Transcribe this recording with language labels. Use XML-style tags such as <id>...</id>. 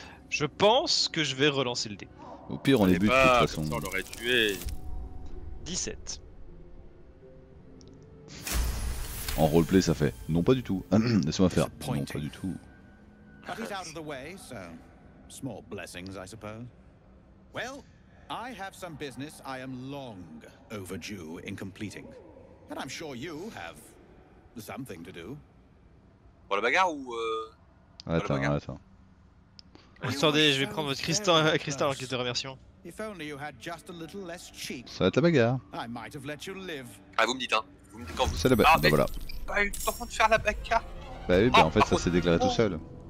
<fr>Je pense que je vais relancer le dé. Au pire, on les bute pas, de toute façon. On l'aurait tué. 17. En roleplay, ça fait non, pas du tout. Laisse-moi faire non, pas du tout.</fr> <en>But he's out of the way, so small blessings, I suppose. Well, I have some business I am long overdue in completing, and I'm sure you have something to do.</en> <fr>Pour la bagarre ou Attends. Attendez, je vais prendre votre cristal en guise de remerciement.</fr> <en>If only you had just a little less cheek.</en> <fr>Ça va être la bagarre.</fr> <en>I might have let you live.</en> <fr>Ah, vous me dites, hein. Vous me dites quand vous... C'est la bagarre, ah, voilà. Pas eu le temps de faire la bagarre. Bah oui, bah en fait, ça s'est déclaré tout seul.</fr>